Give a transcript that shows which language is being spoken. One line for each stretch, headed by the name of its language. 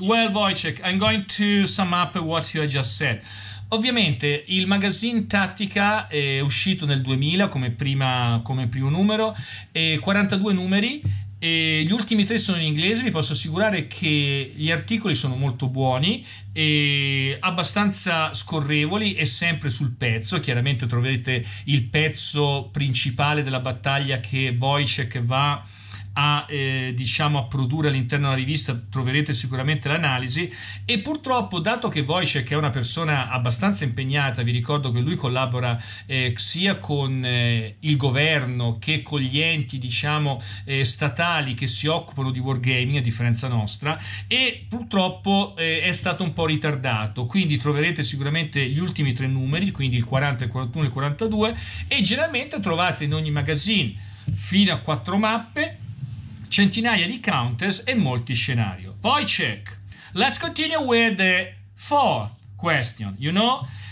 English: Well, Wojciech, I'm going to sum up what you just said.
Italian: Ovviamente il magazine Tattica è uscito nel 2000 come primo numero, 42 numeri, e gli ultimi tre sono in inglese. Vi posso assicurare che gli articoli sono molto buoni e abbastanza scorrevoli e sempre sul pezzo. Chiaramente troverete il pezzo principale della battaglia che Wojciech va a produrre all'interno della rivista, troverete sicuramente l'analisi. E purtroppo, dato che Wojciech è una persona abbastanza impegnata, vi ricordo che lui collabora sia con il governo che con gli enti statali che si occupano di wargaming, a differenza nostra, e purtroppo è stato un po' ritardato, quindi troverete sicuramente gli ultimi tre numeri, quindi il 40, il 41 e il 42, e generalmente trovate in ogni magazine fino a 4 mappe, centinaia di counters e molti scenario.
English: Wojciech, let's continue with the fourth question, you know?